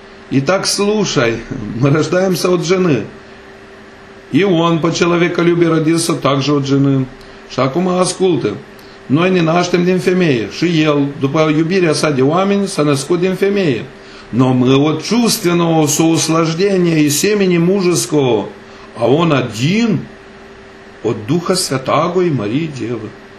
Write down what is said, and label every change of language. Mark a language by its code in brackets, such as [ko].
[ru] И так слушай, мы рождаемся от жены. И Он по человеколюбию родился также от жены. [ro] Și acum ascultă. Noi ne naștem din femeie și El, după iubirea sa de oameni, s-a născut din femeie. [ru] Но мы от чувственного соуслаждения и семени мужеского, а он один от Духа Святаго и Марии Девы.